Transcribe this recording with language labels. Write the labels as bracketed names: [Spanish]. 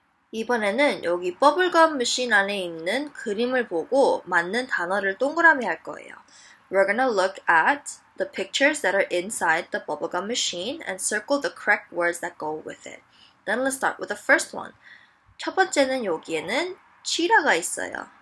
[Korean] 이번에는 여기 버블검 머신 안에 있는 그림을 보고 맞는 단어를 동그라미 할 거예요. [English] We're gonna look at the pictures that are inside the bubblegum machine and circle the correct words that go with it. Then let's start with the first one. [Korean] 첫 번째는 여기에는 치라가 있어요.